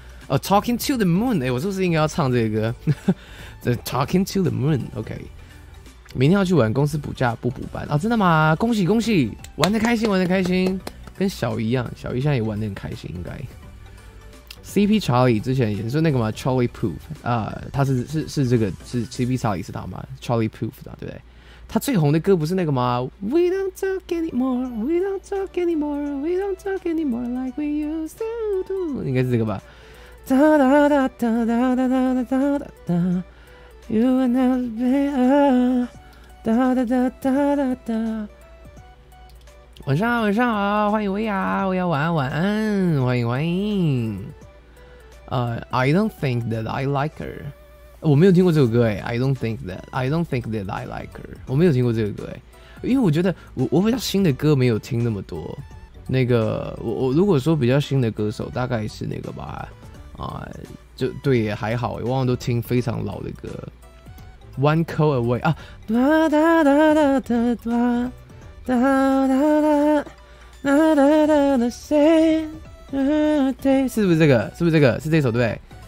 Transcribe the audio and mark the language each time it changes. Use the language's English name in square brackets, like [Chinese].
[Chinese] Oh, Talking to the Moon, 哎，我是不是应该要唱这个歌？The Talking to the Moon, OK。明天要去玩，公司补假不补班啊？真的吗？恭喜恭喜，玩得开心，玩得开心，跟小姨一样，小姨现在也玩得很开心，应该。 CP Charlie 之前也是那个嘛 ，Charlie Puth 啊、他是这个是 CP Charlie 是他吗 ？Charlie Puth 的、啊、对不对？ [English] 他最红的歌不是那个吗 ？We don't talk anymore, we don't talk anymore, we don't talk anymore like we used to do， [Chinese] 应该是这个吧？哒哒哒哒哒哒哒哒哒哒哒。You will never be a da da da da da da。晚上好，晚上好，欢迎薇娅，薇娅晚安，晚安，欢迎欢迎。 [English] I don't think that I like her。 [Chinese] 我没有听过这首歌哎 [English] ，I don't think that I like her。 [Chinese] 我没有听过这首歌哎，因为我觉得我比较新的歌没有听那么多。那个我如果说比较新的歌手，大概是那个吧，就对也还好，我往往都听非常老的歌。 One Call Away 啊，哒哒哒哒哒哒哒哒哒哒哒哒哒 ，Say，Day， 是不是这个？是不是这个？是这首对？